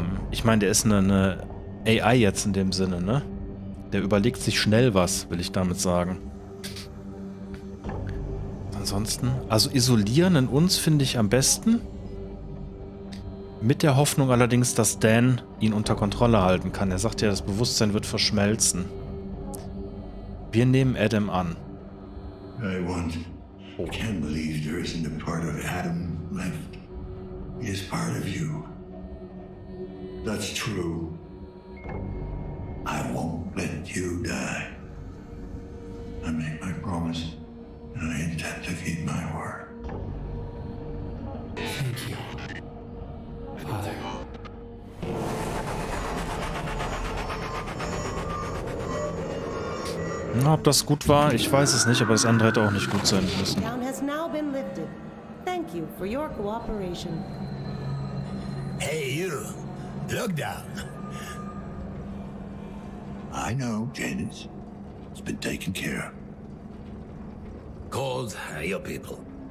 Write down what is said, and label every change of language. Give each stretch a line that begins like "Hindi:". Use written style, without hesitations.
German: Ich meine, der ist eine AI jetzt in dem Sinne, ne? Der überlegt sich schnell was, will ich damit sagen. Ansonsten, also isolieren in uns finde ich am besten. Mit der Hoffnung allerdings, dass Dan ihn unter Kontrolle halten kann. Er sagt ja, das Bewusstsein wird verschmelzen. Wir nehmen Adam an.
English: I can't believe there isn't a part of Adam left. He is part of you. That's true. I won't let you die. I make my promise and I intend to keep my word. Thank you.
German: Na, ob das gut war, ich weiß es nicht, aber das andere hätte auch nicht gut sein müssen.
English: The town has now been lifted. Thank you for your cooperation. Hey, you. Look down. I know, Janus. It's been taken care of. Called your people.